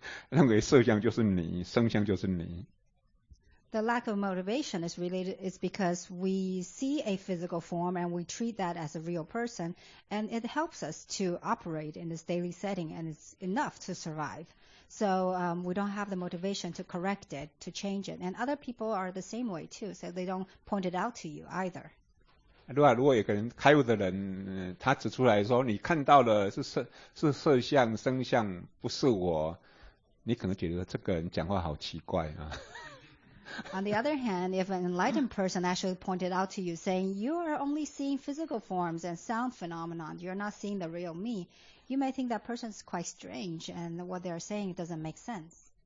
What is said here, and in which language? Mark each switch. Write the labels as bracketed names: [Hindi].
[Chinese] 因为你把色相跟声相当成人，你就觉得这样就可以生活了。那其他人也不会指出你的错误，因为他也跟你一样，他也是认为色相就是你，声相就是你。 [English] The lack of motivation is related is because we see a physical form and we treat that as a real person, and it helps us to operate in this daily setting, and it's enough to survive. So we don't have the motivation to correct it, to change it. And other people are the same way too, so they don't point it out to you either. [Chinese] 如果有个人开悟的人，他指出来说，你看到的是色相、声相，不是我，你可能觉得这个人讲话好奇怪啊。 [English] On the other hand, if an enlightened person actually pointed out to you, saying you are only seeing physical forms and sound phenomenon, you're not seeing the real me, you may think that person is quite strange and what they are saying doesn't make sense.